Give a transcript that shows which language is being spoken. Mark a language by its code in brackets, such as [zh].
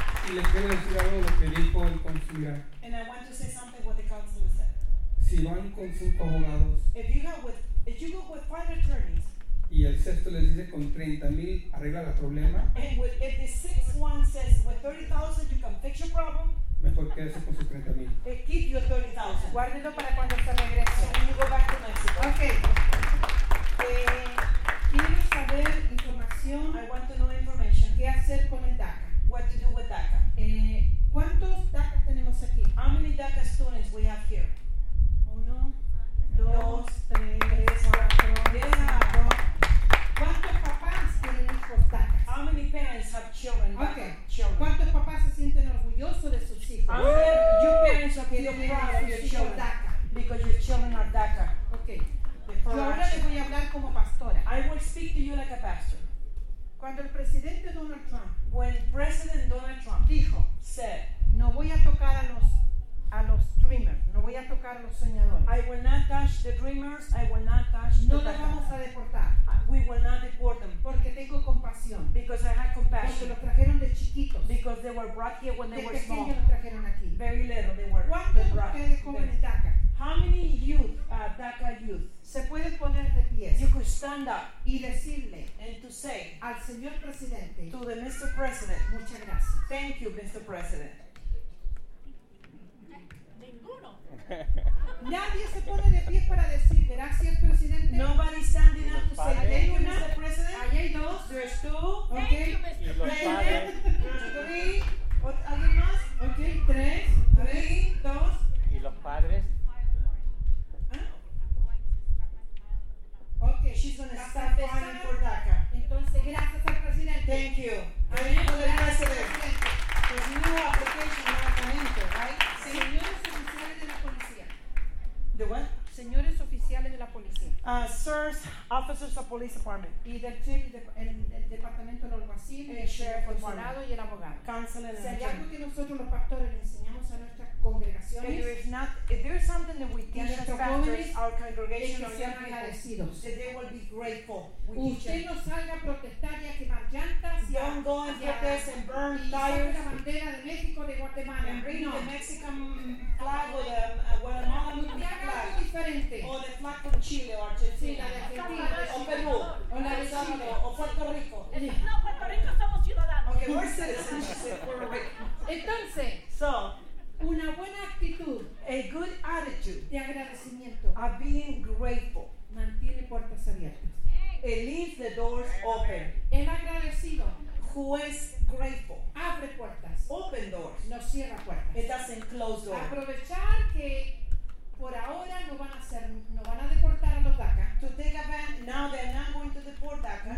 [es] Y les quiero decir algo de lo que dijo el consular. [en] And I want to say something what the counselor said. [es] Si van con 5 abogados. [en] If you go with 5 attorneys. [es] Y el sexto les dice con 30,000 arregla el problema. [en] And with, if the sixth one says with 30,000 you can fix your problem. [es] Mejor quédese con sus 30,000. [en] Keep your 30,000. [es] Guárdelo para cuando se regrese. [en] So you go back to Mexico. [es] Okay. Quiero saber información. [en] I want to know information. [es] ¿Qué hacer con el DACA? [en] What to do with DACA? [es] ¿Cuántos DACA tenemos aquí? [en] How many DACA students we have here? [es] Uno, dos, tres, cuatro. ¿Cuántos papás tienen hijos DACA? [en] How many parents have children? Okay. Children. [es] ¿Cuántos papás se sienten orgullosos de sus hijos? [en] How many parents are feeling proud of your children? DACA. Because your children are DACA. Okay. [es] Yo ahora le voy a hablar como pastora. [en] I will speak to you like a pastor. [es] Cuando el presidente Donald Trump, [en] when President Donald Trump [es] dijo, [en] said, [es] no voy a tocar a los dreamers, no voy a tocar a los soñadores. [en] I will not touch the dreamers. I will not touch. [es] No los vamos a deportar. [en] We will not deport them. [es] Porque tengo compasión. [en] Because I have compassion. [es] Porque los trajeron de chiquitos. [en] Because they were brought here when they were small. [es] De pequeños los trajeron aquí. [en] Very little they were. [es] ¿Cuántos ustedes jóvenes DACA? [en] How many youth, DACA youth? [es] Se puede poner de pie. [en] You could stand up [es] y decirle, [en] and to say, [es] al señor presidente, [en] to the Mr. President, [es] muchas gracias. [en] Thank you, Mr. President. [es] Ninguno. Nadie se pone de pie para decir gracias, presidente. [en] Nobody standing up to say thank you, Mr. President. [es] Ahí hay dos. [en] There's two. Thank okay. You, Mr. President. [es] ¿Alguien más? Okay. Tres. [en] Three. [es] Dos. ¿Y los padres? [en] Okay, she's going to start fighting for DACA. [es] Entonces, gracias al presidente. [en] Thank you. Thank you, presidente. There's new application, new documento, right? [es] Sí. Señores oficiales de la policía. [en] The what? [es] Señores oficiales de la policía. [en] Sirs, officers of police department. [es] Y del chief, el departamento de alguacil, el sheriff, el consulado y el abogado. [en] Counsel and attorney. [es] Sería algo que nosotros los pastores le enseñamos a nuestra congregación. [en] If there is something that we teach the pastors, our congregation, [es] que sean agradecidos. [en] That they will be grateful. [es] Usted no salga a protestar y a quemar llantas. [en] Don't go and protest and burn tires. [es] Y la bandera de México, de Guatemala. [en] And bring the Mexican flag with a Guatemala flag. [es] O de [en] flag of [es] Chile o Argentina, sí, o Perú, o la de Salvador, o Puerto Rico. No, Puerto Rico somos ciudadanos. [en] Okay, we're citizens. Puerto Rico. [es] Entonces, [en] so, [es] una buena actitud, [en] a good attitude, [es] de agradecimiento, [en] of being grateful, [es] mantiene puertas abiertas. [en] It leaves the doors open. [es] El agradecido, [en] who is grateful, [es] abre puertas. [en] Open doors. [es] No cierra puertas. [en] It doesn't close doors. [es] Aprovechar que por ahora no van a hacer, no van a deportar a los DACA. [en] To take a van, now they are not going to deport DACA.